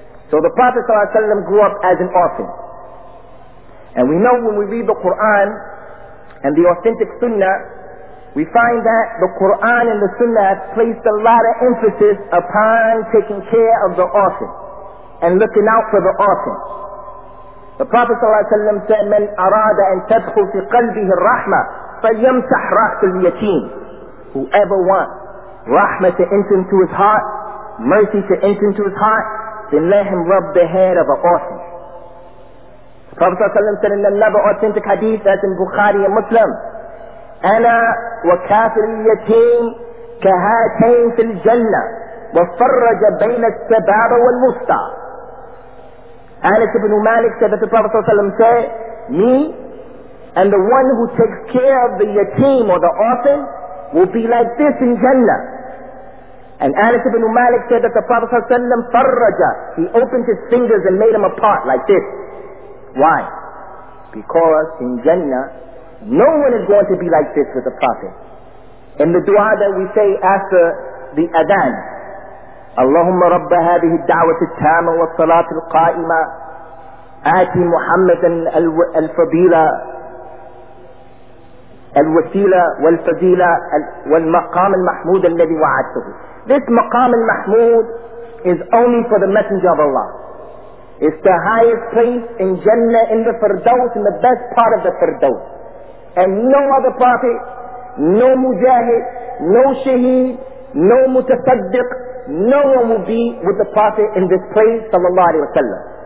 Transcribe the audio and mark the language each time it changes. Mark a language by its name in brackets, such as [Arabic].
[English] So the Prophet sallallahu alayhi wa sallam grew up as an orphan. And we know when we read the Quran and the authentic Sunnah, we find that the Quran and the Sunnah have placed a lot of emphasis upon taking care of the orphan and looking out for the orphan. The Prophet sallallahu alayhi wa sallam said, [Arabic] من أراد أن تدخل في قلبه الرحمة فليمسح رأس اليتيم. [English] Whoever wants rahmah to enter into his heart, mercy to enter into his heart, then let him rub the head of an orphan. The Prophet sallallahu alayhi wa sallam said in another authentic hadith that's in Bukhari and Muslim, [Arabic] أنا وكافر اليتيم كهاتين في الجنة وفرج بين السباب والوسطى. [English] Anas ibn Malik said that the Prophet ﷺ said, me and the one who takes care of the yatim or the orphan will be like this in Jannah. And Anas ibn Malik said that the Prophet ﷺ فرج, he opened his fingers and made them apart like this. Why? Because in Jannah, no one is going to be like this with the Prophet. In the dua that we say after the Adhan, [Arabic] اللهم رب هذه الدعوة التامة والصلاة القائمة آتي محمدا الفضيلة الوسيلة والفضيلة والمقام المحمود الذي وعدته. [English] This maqam al-mahmood is only for the Messenger of Allah. It's the highest place in Jannah, in the Firdaus, in the best part of the Firdaus. And no other prophet, no mujahid, no shaheed, no mutasaddiq, no one will be with the prophet in this place, sallallahu alayhi wa sallam.